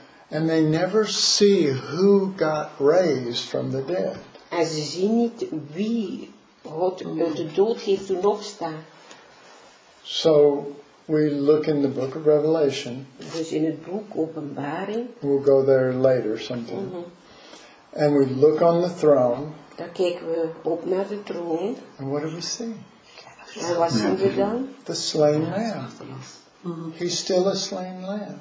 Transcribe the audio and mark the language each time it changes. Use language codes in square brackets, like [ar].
[en] And they never see who got raised from the dead. [nl] En ze zien niet wie God uit de dood heeft doen opstaan. [en] So, we look in the book of Revelation. [nl] Dus in het boek Openbaring. [en] We'll go there later sometime. Mm-hmm. And we look on the throne. [nl] Dan kijken we op naar de troon. [en] And what do we see? [nl] En wat zien we dan? [en] The slain lamb. He's still a slain lamb.